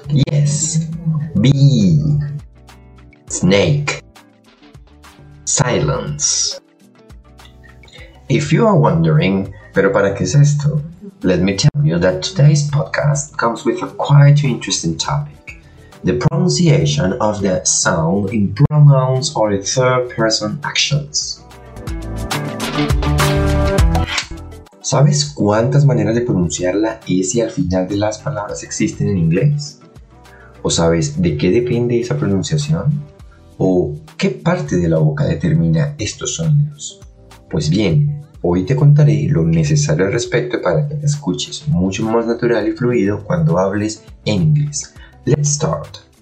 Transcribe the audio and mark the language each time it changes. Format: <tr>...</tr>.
<en>Yes, bee, snake, silence. If you are wondering,</en> <es>pero para qué es esto?</es> <en>Let me tell you that today's podcast comes with a quite interesting topic. The pronunciation of the sound in pronouns or in third person actions.</en> <es>¿Sabes cuántas maneras de pronunciar la S al final de las palabras existen en inglés? ¿O sabes de qué depende esa pronunciación? ¿O qué parte de la boca determina estos sonidos? Pues bien, hoy te contaré lo necesario al respecto para que te escuches mucho más natural y fluido cuando hables en inglés.</es> <en>Let's start.</en>